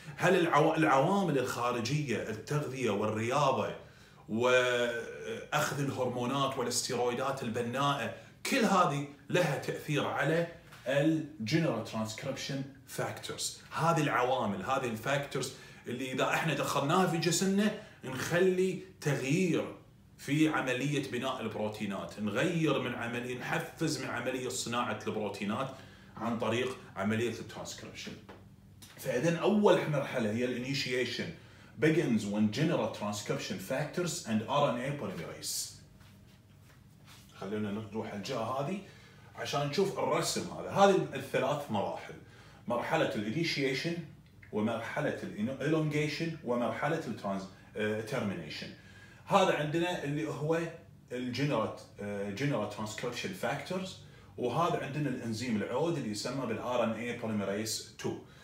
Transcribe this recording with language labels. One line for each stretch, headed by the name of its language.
Arabic: هل العوامل الخارجيه التغذيه والرياضه واخذ الهرمونات والاستيرويدات البنائه، كل هذه لها تاثير على الجنرال ترانسكريبشن فاكتورز. هذه العوامل، هذه الفاكتورز اللي اذا احنا دخلناها في جسمنا نخلي تغيير في عملية بناء البروتينات، نغير من عملية، نحفز من عملية صناعة البروتينات عن طريق عملية الترانسكريبشن. فإذا أول مرحلة هي الانيشيشن
English: begins when general transcription factors and RNA polymerase.
Arabic: خلينا نروح الجهة هذه عشان نشوف الرسم هذا. هذه الثلاث مراحل، مرحلة الانيشيشن ومرحلة الالونجيشن ومرحلة الترمينيشن. هذا عندنا اللي هو الجنرال ترانسكريبشن فاكتورز، وهذا عندنا الانزيم العود اللي يسمى بالار ان اي بوليميريز 2.